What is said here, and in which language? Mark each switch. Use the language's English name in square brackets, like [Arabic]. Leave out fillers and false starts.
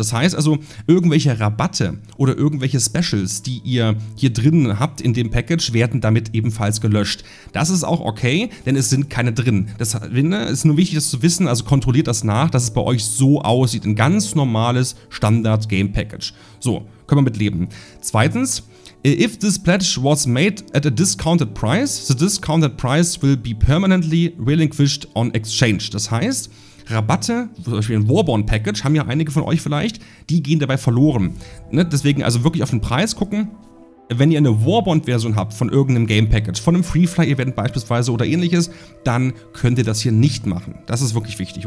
[German] Das heißt also, irgendwelche Rabatte oder irgendwelche Specials, die ihr hier drin habt in dem Package, werden damit ebenfalls gelöscht. Das ist auch okay, denn es sind keine drin. Das ist nur wichtig, das zu wissen, also kontrolliert das nach, dass es bei euch so aussieht. Ein ganz normales Standard-Game-Package. So, können wir mitleben. Zweitens, [English] if this pledge was made at a discounted price, the discounted price will be permanently relinquished on exchange. [German] Das heißt, Rabatte, zum Beispiel ein Warborn-Package, haben ja einige von euch vielleicht, die gehen dabei verloren. Ne? Deswegen also wirklich auf den Preis gucken. Wenn ihr eine Warbond-Version habt von irgendeinem Game-Package, von einem Free-Fly-Event beispielsweise oder ähnliches, dann könnt ihr das hier nicht machen. Das ist wirklich wichtig.